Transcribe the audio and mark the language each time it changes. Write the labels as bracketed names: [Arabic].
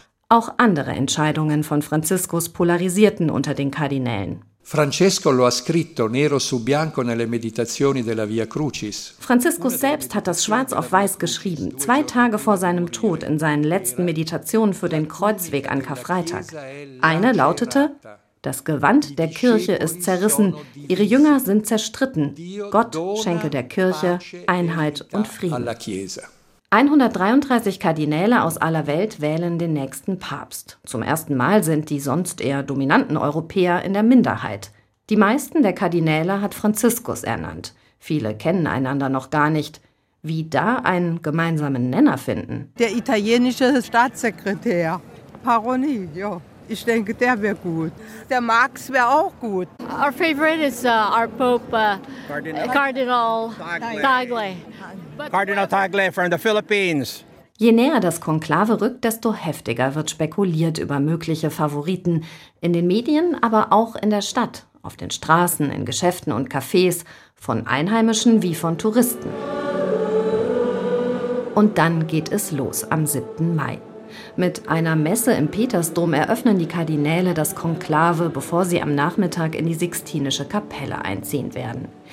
[German] Auch andere Entscheidungen von Franziskus polarisierten unter den Kardinälen. [Italian] Francesco lo ha scritto nero su bianco nelle meditazioni della Via Crucis. [German] Franziskus selbst hat das schwarz auf weiß geschrieben, 2 Tage vor seinem Tod in seinen letzten Meditationen für den Kreuzweg an Karfreitag. Eine lautete: Das Gewand der Kirche ist zerrissen, ihre Jünger sind zerstritten. Gott schenke der Kirche Einheit und Frieden. 133 Kardinäle aus aller Welt wählen den nächsten Papst. Zum ersten Mal sind die sonst eher dominanten Europäer in der Minderheit. Die meisten der Kardinäle hat Franziskus ernannt. Viele kennen einander noch gar nicht. wie da einen gemeinsamen Nenner finden. Der italienische Staatssekretär, Paroniglio. Ich denke, der wäre gut. Der Marx wäre auch gut. [English] Our favorite is our Pope, Cardinal Tagle. Cardinal Tagle from the Philippines. [German] Je näher das Konklave rückt, desto heftiger wird spekuliert über mögliche Favoriten. In den Medien, aber auch in der Stadt, auf den Straßen, in Geschäften und Cafés, von Einheimischen wie von Touristen. Und dann geht es los am 7. Mai. Mit einer Messe im Petersdom eröffnen die Kardinäle das Konklave, bevor sie am Nachmittag in die Sixtinische Kapelle einziehen werden.